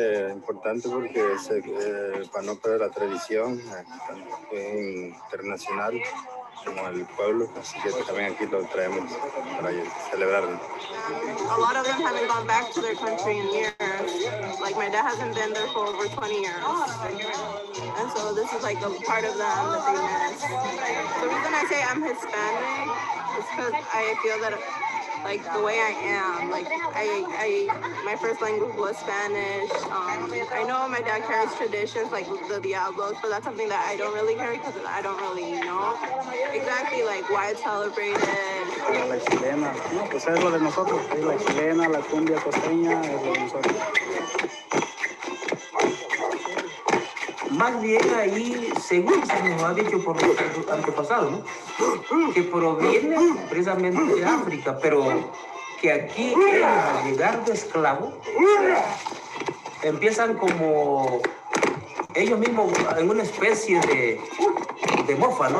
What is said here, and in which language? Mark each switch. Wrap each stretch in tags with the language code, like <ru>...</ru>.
<es>Importante porque es para no perder la tradición internacional como el pueblo, así que también aquí lo traemos para celebrarlo.</es> <en>A lot of them haven't gone back to their country in years. Like my dad hasn't been there for over 20 years. And so this is like a part of them that they miss. The reason I say I'm Hispanic is because I feel that like the way I am, like I my first language was Spanish. I know my dad carries traditions like the Diablos, but that's something that I don't really carry because I don't really know exactly like why it's celebrated.</en> <es>La chilena, no, pues es lo de nosotros. Es la chilena, la cumbia costeña, es lo de nosotros. Más bien ahí, según se nos ha dicho por nuestros antepasados, ¿no? Que proviene precisamente de África, pero que aquí, al llegar de esclavo, empiezan como ellos mismos en una especie de mofa, ¿no?</es>